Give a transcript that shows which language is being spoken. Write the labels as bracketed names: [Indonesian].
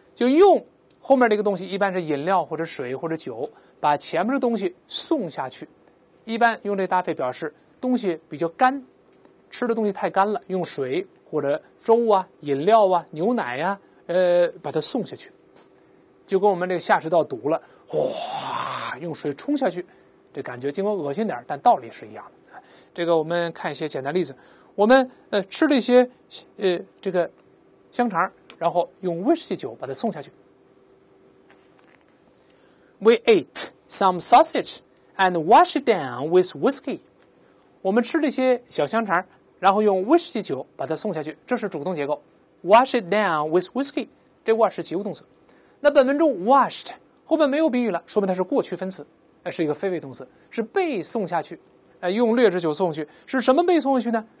[Chinese] 就用后面这个东西，一般是饮料或者水或者酒，把前面的东西送下去，一般用这搭配表示东西比较干，吃的东西太干了，用水或者粥啊、饮料啊、牛奶啊，把它送下去，就跟我们这个下水道堵了，哗，用水冲下去，这感觉尽管恶心点，但道理是一样的。这个我们看一些简单例子，我们吃了一些这个香肠，然后用威士忌酒把它送下去。 [English] We ate some sausage and washed down with whiskey. [Chinese] 我们吃了一些小香肠，然后用威士忌酒把它送下去，这是主动结构。 [English] Washed down with whiskey， [Chinese] 这 wash 是及物动词。那本文中 washed 后面没有宾语了，说明它是过去分词，是一个非谓动词，是被送下去，用劣质酒送去，是什么被送去呢？